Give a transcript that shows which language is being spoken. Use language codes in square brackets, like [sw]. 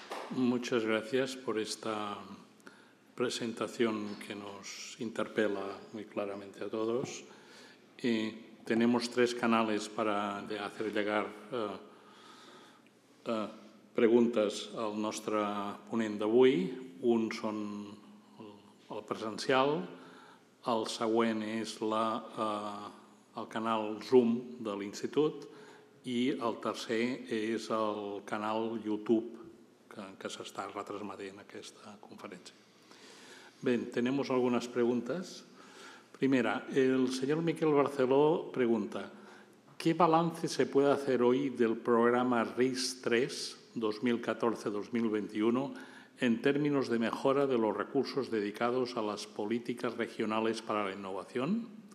[es] Muchas gracias por esta presentación que nos interpela muy claramente a todos. Tenemos tres canales para hacer llegar [ca] preguntes al nostre ponent d'avui. Un són el presencial, el següent és el canal Zoom de l'Institut i el tercer és el canal YouTube que s'està retransmetent aquesta conferència. [es] Bé, tenemos algunas preguntas. Primera, el señor Miquel Barceló pregunta: ¿qué balance se puede hacer hoy del programa RIS3 2014-2021 en términos de mejora de los recursos dedicados a las políticas regionales para la innovación?